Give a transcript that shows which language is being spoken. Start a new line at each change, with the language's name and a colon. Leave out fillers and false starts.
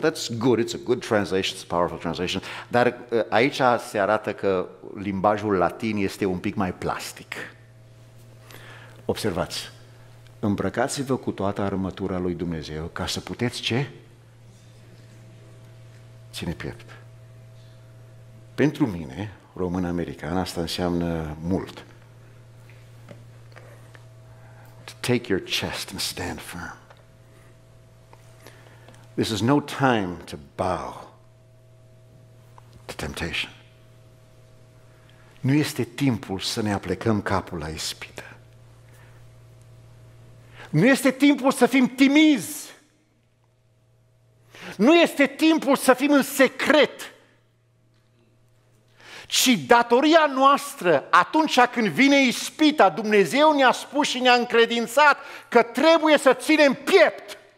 English: That's good, it's a good translation, it's a powerful translation.
Romanian: Dar aici se arată că limbajul latin este un pic mai plastic. Observați, îmbrăcați-vă cu toată armătura lui Dumnezeu ca să puteți ce? Ține piept. Pentru mine, român-american, asta înseamnă mult.
English: To take your chest and stand firm. This is no time to bow to temptation.
Romanian: Nu este timpul să ne aplecăm capul la ispită. Nu este timpul să fim timizi. Nu este timpul să fim în secret. Și datoria noastră, atunci când vine ispita, Dumnezeu ne-a spus și ne-a încredințat că trebuie să ținem piept.